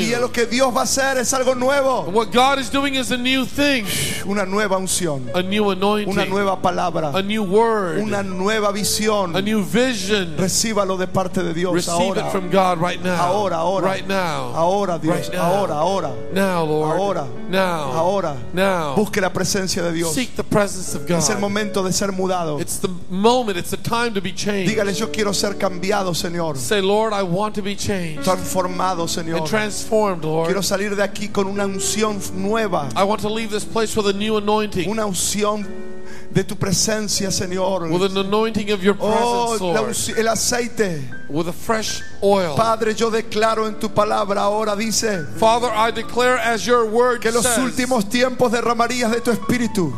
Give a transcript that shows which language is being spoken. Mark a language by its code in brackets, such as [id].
[es] Y lo que Dios va a hacer es algo nuevo. [en] And what God is doing is a new thing. [es] Una nueva unción. [en] A new anointing. [es] Una nueva palabra. [en] A new word. [es] Una nueva visión. [en] A new vision. [es] Recíbalo de parte de Dios. [en] Receive [es] ahora. [en] It from God right now. [es] Ahora, ahora. [en] Right now. [es] Ahora, Dios. [en] Right now. [es] Ahora, ahora. [en] Now, Lord. [es] Ahora. [en] Now. [es] Ahora. [en] Now. now. [es] Busque la presencia de Dios. [en] Seek the presence of God. [es] Es el momento de ser mudado. [en] It's the moment, it's the time to be changed. [es] Dígale, yo quiero ser cambiado, Señor. [en] Say, Lord, I want to be changed. [es] Transformado, Señor. [en] And transformed, Lord. [es] Quiero salir de aquí con una unción nueva. [en] I want to leave this place with a new anointing. [es] Una unción de tu presencia, Señor. [en] With an anointing of your presence, oh, Lord. [es] El aceite. [en] With a fresh oil. [es] Padre, yo declaro en tu palabra ahora, dice, [en] Father, I declare as your word [es] que los [en] says, [es] últimos tiempos derramarías de tu espíritu.